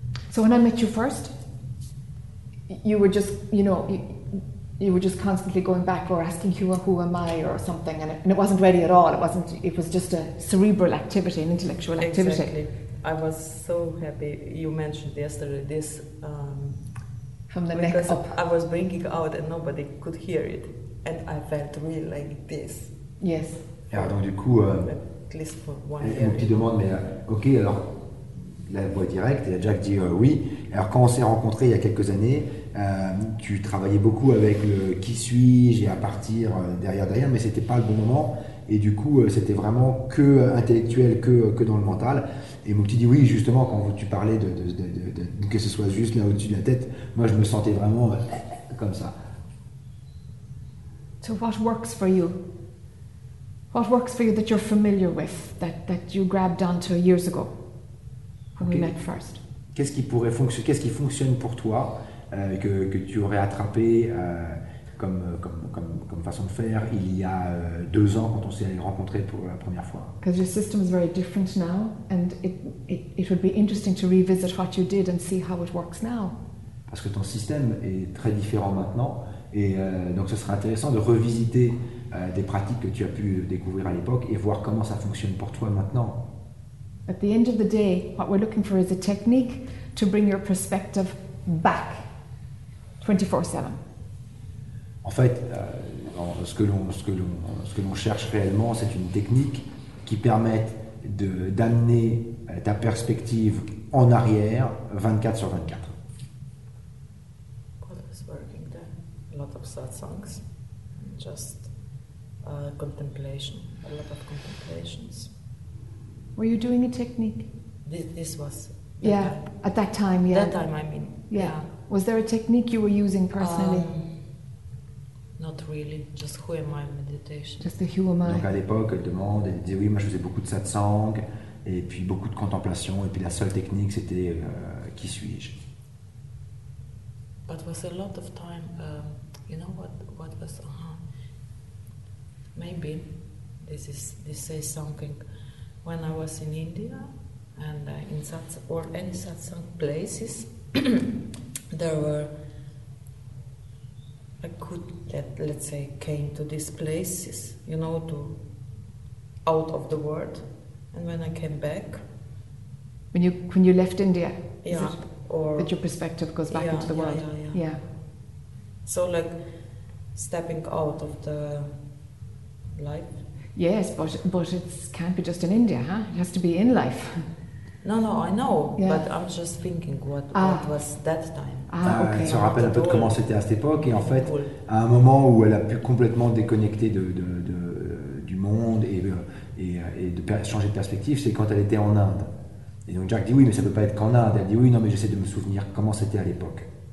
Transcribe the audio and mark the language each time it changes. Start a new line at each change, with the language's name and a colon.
English: So when I met you first, you were just, you know, you were just constantly going back or asking who am I or something, and it wasn't ready at all. It was just a cerebral activity, an intellectual activity. Exactly. I was so happy you mentioned yesterday this. From the neck up. I was bringing out and nobody could hear it, and I felt really like this. Yes.
French: Yeah, donc du coup. Mon petit demande, mais ok, alors la voix directe, et Jack dit oui. Alors, quand on s'est rencontré il y a quelques années, tu travaillais beaucoup avec le qui suis-je et à partir derrière, mais c'était pas le bon moment, et du coup, c'était vraiment que intellectuel, que dans le mental. Et mon petit dit oui, justement, quand tu parlais de que ce soit juste là au-dessus de la tête, moi je me sentais vraiment comme ça.
English: So, what works for you? What works for you that you're familiar with, that you grabbed onto years ago, when we met first?
French: Qu'est-ce qui fonctionne pour toi, que tu aurais attrapé comme façon de faire il y a 2 ans quand on s'est rencontrés pour la première fois?
English: Because your system is very different now, and it would be interesting to revisit what you did and see how it works now.
French: Parce que ton système est très différent maintenant, et donc ce serait intéressant de revisiter des pratiques que tu as pu découvrir à l'époque et voir comment ça fonctionne pour toi maintenant.
English: At the end of the day, what we're looking for is a technique to bring your perspective back 24/7.
French: En fait, ce que l'on cherche réellement, c'est une technique qui permette d'amener ta perspective en arrière 24/24.
English: What is working there? A lot of satsangs. Contemplation, a lot of contemplations. Were you doing a technique? This was. Yeah, at that time, yeah. That time, I mean. Yeah. Was there a technique you were using personally? Not really, just who am I meditation. Just the who am I.
French: Donc à l'époque, elle demande, elle disait oui, moi je faisais beaucoup de satsang, et puis beaucoup de contemplation, et puis la seule technique c'était qui suis-je.
English: But was a lot of time, you know what was on? Maybe this is something when I was in India and in such or any such places there were I could let's say came to these places, you know, to out of the world, and when I came back when you left India, or that your perspective goes back into the world. Yeah. So like stepping out of the life. Yes, but it can't be just in India, huh? It has to be in life. No, I know, but I'm just thinking what was that time. Okay.
French: Elle se rappelle un peu de comment c'était à cette époque, et en fait, à un moment où elle a pu complètement déconnecter de du monde et de changer de perspective, c'est quand elle était en Inde. Et donc Jack dit oui, mais ça peut pas être qu'en Inde. Elle dit oui, non, mais j'essaie de me souvenir comment c'était à l'époque.